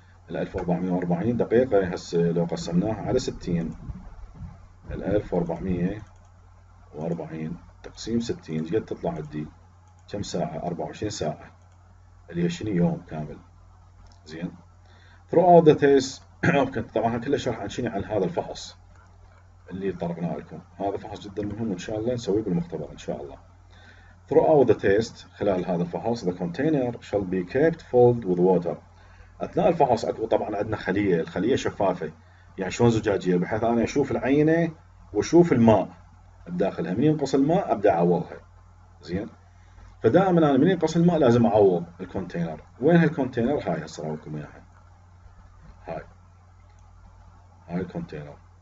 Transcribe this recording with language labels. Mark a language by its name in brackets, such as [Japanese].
[Arabic] ال 1440 دقيقة هسه لو قسمناها على 60، ال 1440 تقسيم 60 قد تطلع عندي؟ كم ساعة؟ 24 ساعة، اللي هي شنو؟ يوم كامل. زين، throughout the test طبعا كله شرح عن شنو؟ عن هذا الفحص اللي طرقناه لكم، هذا فحص جدا مهم وإن شاء الله نسويه بالمختبر إن شاء الله. [English] Throughout the test [Arabic] خلال هذا الفحص [English] the container shall be kept filled with water. [Arabic] أثناء الفحص أكو طبعا عندنا خلية، الخلية شفافة يعني شلون زجاجية، بحيث أنا أشوف العينة وأشوف الماء بداخلها، من ينقص الماء أبدأ أعوضها. زين، فدائما أنا من ينقص الماء لازم أعوض الكونتينر. وين هالكونتينر؟ هاي هسه أراويكم إياها، هاي الكونتينر.